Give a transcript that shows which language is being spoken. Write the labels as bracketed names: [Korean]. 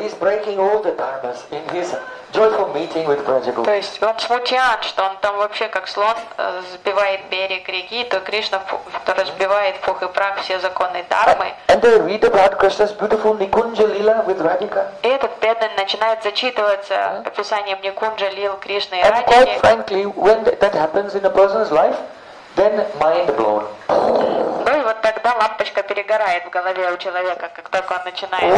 [English] He's breaking all the dharmas in his joyful meeting with Brajagopis. [Russian] То есть он смутян, что он там вообще как слон сбивает берег реки, то Кришна разбивает пух и прах все законы дармы. [English] And they read about Krishna's beautiful Nikunja Lila with Radhika. [Russian] И этот преданный начинает зачитываться описанием Никунджа Лил Кришны и Радхики. [English] And quite frankly, when that happens in a person's life, then mind blown. [Russian] Ну и вот тогда лампочка перегорает в голове у человека, как только он начинает.